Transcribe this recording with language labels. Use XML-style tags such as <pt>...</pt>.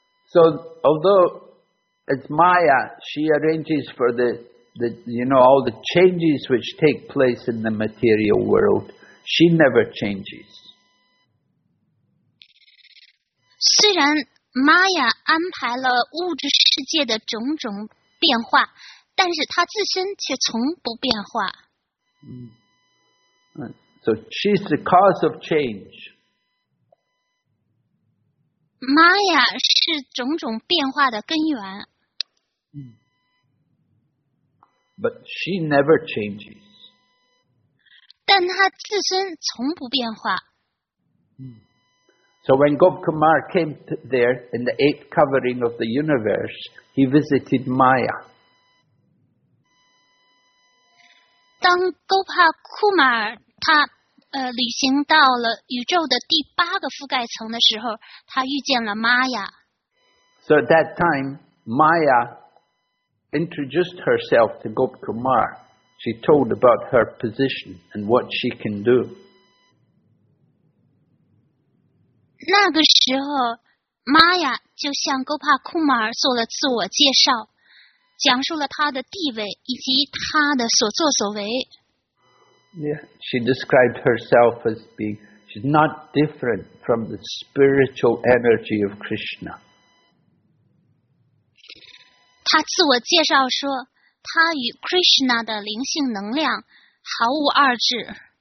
<en>So, although it's Maya, she arranges for all the changes which take place in the material world. She never changes.</en> <zh>虽然玛雅安排了物质世界的种种变化，但是她自身却从不变化。</zh> <en>So she's the cause of change.</en> <zh>玛雅是种种变化的根源。</zh> <en>But she never changes.</en> <zh>但她自身从不变化。</zh> <en>So when Gop Kumar came there in the eighth covering of the universe, he visited Maya.</en> <zh>当 Gopa Kumar 他旅行到了宇宙的第八个覆盖层的时候，他遇见了 Maya.</zh> <en>So at that time, Maya introduced herself to Gop Kumar. She told about her position and what she can do.</en> <zh>那个时候，玛雅就向戈帕库马尔做了自我介绍，讲述了他的地位以及他的所作所为。</zh> <en>Yeah, she described herself as being she's not different from the spiritual energy of Krishna.</en> <zh>她自我介绍说，她与 Krishna 的灵性能量毫无二致。</zh>